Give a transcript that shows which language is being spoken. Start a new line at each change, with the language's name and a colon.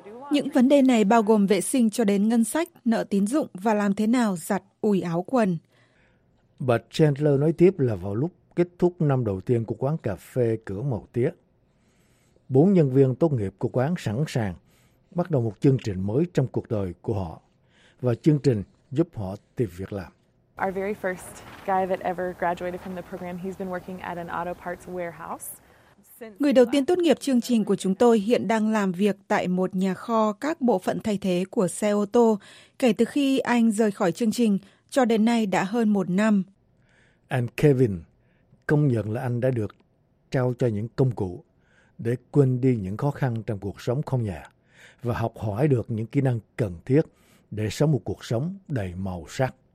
Vietnamese: những vấn đề này bao gồm vệ sinh cho đến ngân sách, nợ tín dụng và làm thế nào giặt ủi áo quần. Bà Chandler nói tiếp là vào lúc kết thúc năm đầu tiên của quán cà phê Cửa Màu Tía, 4 nhân viên tốt nghiệp của quán sẵn sàng bắt đầu một chương trình mới trong cuộc đời của họ và chương trình giúp họ tìm việc làm.
English: Our very first guy that ever graduated from the program, he's been working at an auto parts warehouse.
Vietnamese: Người đầu tiên tốt nghiệp chương trình của chúng tôi hiện đang làm việc tại một nhà kho các bộ phận thay thế của xe ô tô kể từ khi anh rời khỏi chương trình cho đến nay đã hơn 1 năm. And Kevin công nhận là anh đã được trao cho những công cụ để quên đi những khó khăn trong cuộc sống không nhà và học hỏi được những kỹ năng cần thiết để sống một cuộc sống đầy màu sắc.